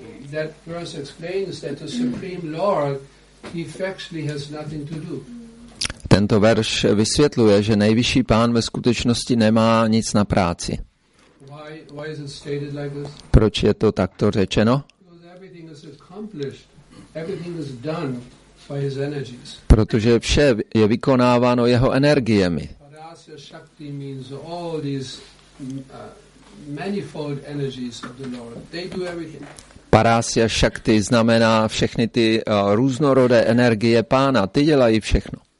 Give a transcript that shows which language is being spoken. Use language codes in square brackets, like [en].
[en] That verse explains that the Supreme Lord effectually has nothing to do. [cs] Tento verš vysvětluje, že nejvyšší pán ve skutečnosti nemá nic na práci. [en] Why is it stated like this? [cs] Proč je to takto řečeno? [en] Everything is accomplished. Everything is done by his energies. [cs] Protože vše je vykonáváno jeho energiemi. [en] Parasya Shakti means all these manifold energies of the Lord. They do everything. [cs] Parasya Shakti znamená všechny ty různorodé energie pána. Ty dělají všechno.